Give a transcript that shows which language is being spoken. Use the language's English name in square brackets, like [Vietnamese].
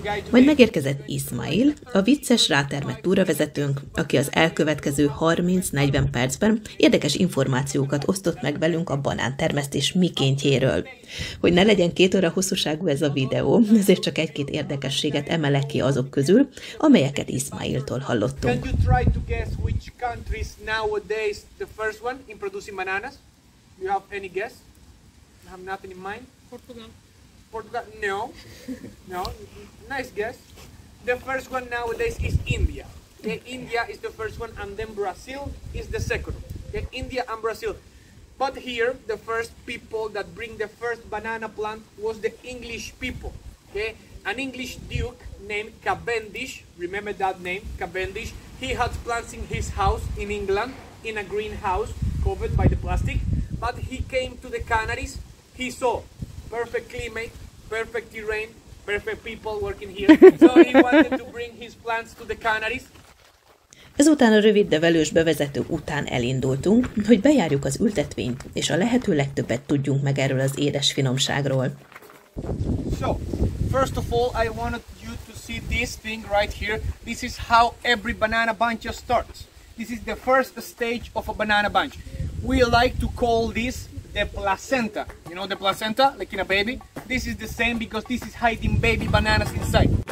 [Hungarian] Majd megérkezett Ismail, a vicces rátermett túravezetőnk, aki az elkövetkező 30-40 percben érdekes információkat osztott meg velünk a banántermesztés mikéntjéről. Hogy ne legyen két óra hosszúságú ez a videó, ezért csak egy-két érdekességet emelek ki azok közül, amelyeket Ismailtól hallottunk. [English] Can you try to guess which country is nowadays the first one in producing bananas? You have any guess? I have nothing in mind. Portugal? No. Nice guess. The first one nowadays is India. Okay, India is the first one, and then Brazil is the second. Okay, India and Brazil. But here, the first people that bring the first banana plant was the English people. Okay, an English duke named Cavendish. Remember that name, Cavendish. He had plants in his house in England, in a greenhouse covered by the plastic. But he came to the Canaries. He saw perfect climate, perfect terrain, perfect people working here. So he wanted to bring his plants to the Canaries. [Hungarian] Ezután a rövid, de velős bevezető után elindultunk, hogy bejárjuk az ültetvényt, és a lehető legtöbbet tudjunk meg erről az édes finomságról. [English] So, first of all, I wanted you to see this thing right here. This is how every banana bunch starts. This is the first stage of a banana bunch. We like to call this the placenta. You know the placenta, like in a baby? This is the same because this is hiding baby bananas inside.